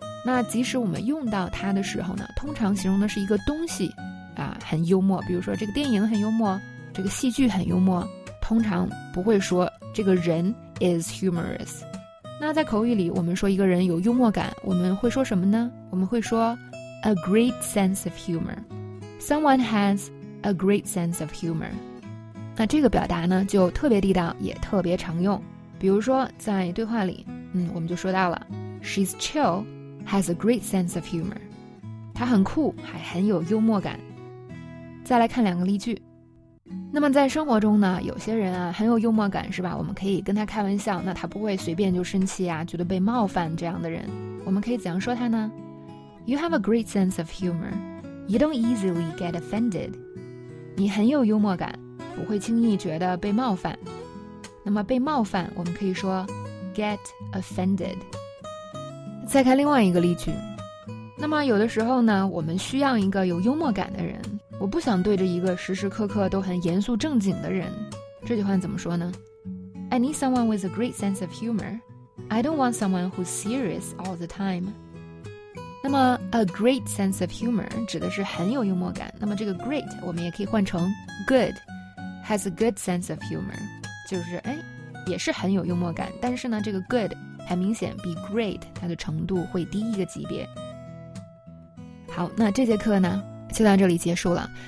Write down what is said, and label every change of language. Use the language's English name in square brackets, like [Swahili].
[Chinese] 那即使我们用到它的时候呢，通常形容的是一个东西啊很幽默，比如说这个电影很幽默，这个戏剧很幽默，通常不会说这个人 [English] is humorous。 [Chinese] 那在口语里我们说一个人有幽默感，我们会说什么呢？我们会说 [English] a great sense of humorSomeone has a great sense of humor. [Chinese] 那这个表达呢就特别地道，也特别常用。比如说在对话里，我们就说到了 [English] She's chill, has a great sense of humor. [Chinese] 她很酷，还很有幽默感。再来看两个例句。那么在生活中呢，有些人啊很有幽默感，是吧？我们可以跟他开玩笑，那他不会随便就生气啊，觉得被冒犯这样的人。我们可以怎样说他呢？ [English] You have a great sense of humor. You don't easily get offended. [Chinese] 你很有幽默感，不会轻易觉得被冒犯。那么被冒犯，我们可以说 [English] get offended. [Chinese] 再看另外一个例句。那么有的时候呢，我们需要一个有幽默感的人。我不想对着一个时时刻刻都很严肃正经的人。这句话怎么说呢？ [English] I need someone with a great sense of humor. I don't want someone who's serious all the time. [Chinese] 那么 [English] a great sense of humor [Chinese] 指的是很有幽默感，那么这个 great 我们也可以换成 good， [English] has a good sense of humor， [Chinese] 就是哎，也是很有幽默感，但是呢这个 good 很明显比 great 它的程度会低一个级别。好，那这节课呢就到这里结束了。